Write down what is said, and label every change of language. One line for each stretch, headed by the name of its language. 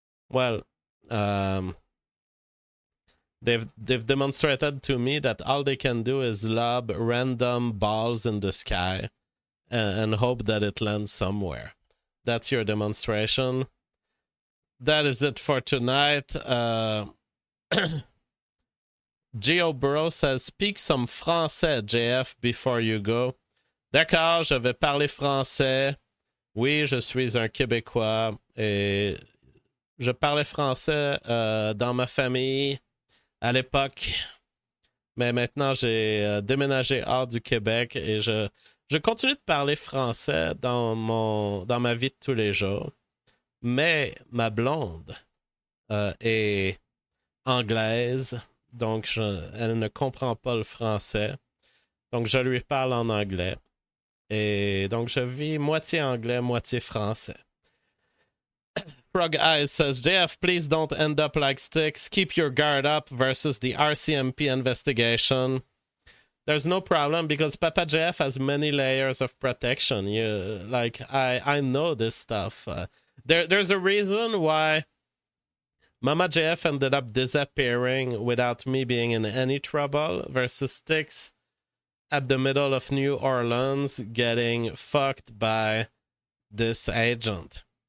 English: Well, they've demonstrated to me that all they can do is lob random balls in the sky and hope that it lands somewhere. That's your demonstration. that is it for tonight. Geo Burrow says, speak some français, JF, before you go.
French: D'accord, je vais parler français. Oui, je suis un Québécois et je parlais français dans ma famille à l'époque. Mais maintenant, j'ai déménagé hors du Québec et je continue de parler français dans ma vie de tous les jours. Mais ma blonde est anglaise, donc elle ne comprend pas le français. Donc, je lui parle en anglais. Et donc, je vis moitié anglais, moitié français.
English: Frog Eyes says, JF, please don't end up like Sticks. Keep your guard up versus the RCMP investigation. There's no problem because Papa JF has many layers of protection. I know this stuff. There's a reason why Mama JF ended up disappearing without me being in any trouble versus Sticks at the middle of New Orleans getting fucked by this agent.